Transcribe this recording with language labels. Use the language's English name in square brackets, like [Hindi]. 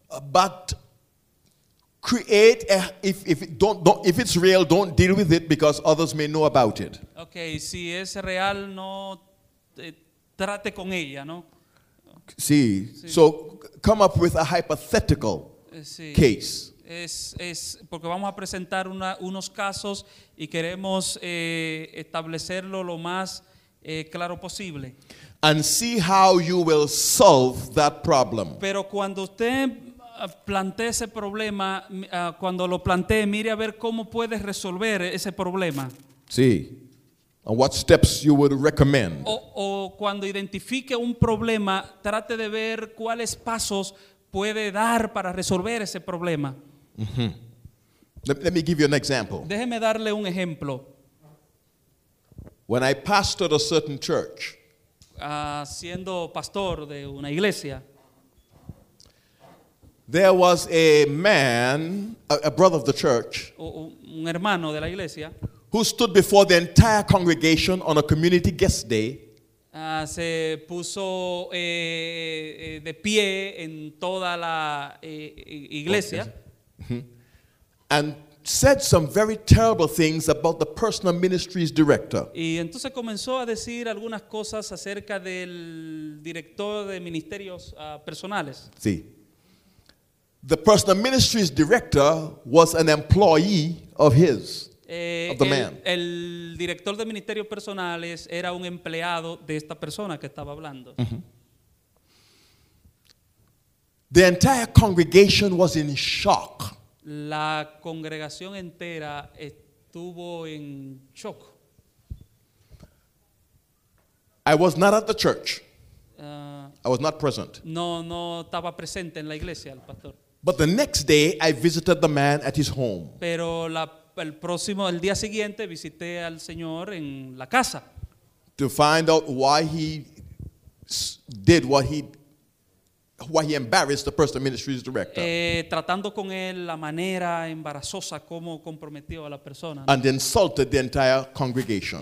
[English] But create a, if don't if it's real, don't deal with it because others may know about it. [Spanish] Okay, si es real, no trate con ella, ¿no? See, sí. [English] So come up with a hypothetical [Spanish] sí. [English] Case. [Spanish] Es porque vamos a presentar unos casos y queremos establecerlo lo más claro posible. [English] And see how you will solve that problem. [Spanish] Pero cuando usted plantee ese problema, cuando lo plantee, mire a ver cómo puede resolver ese problema. Sí. [English] And what steps you would recommend? [Spanish] O cuando identifique un problema, trate de ver cuáles pasos puede dar para resolver ese problema. Mm-hmm. [English] Let me give you an example. [Spanish] Déjeme darle un ejemplo. [English] When I pastored a certain church, [Spanish] siendo pastor de una iglesia, [English] there was a man, a brother of the church, [Spanish] un hermano de la iglesia. [English] Who stood before the entire congregation on a community guest day? [Spanish] Se puso de pie en toda la iglesia. [English] And said some very terrible things about the personal ministries director. [Spanish] Y entonces comenzó a decir algunas cosas acerca del director de ministerios personales. Sí. [English] The personal ministries director was an employee of his. [Spanish] El director de ministerios personales era un empleado de esta persona que estaba hablando. [English] The entire congregation was in shock. [Spanish] La congregación entera estuvo en shock. [English] I was not at the church. I was not present. [Spanish] No estaba presente en la iglesia el pastor. [English] But the next day I visited the man at his home. [Spanish] Pero el día siguiente visité al señor en la casa. [English] to find out why he did what he why he embarrassed the personal ministries director. [Spanish] Tratando con él la manera embarazosa como comprometió a la persona. [English] And insulted the entire congregation.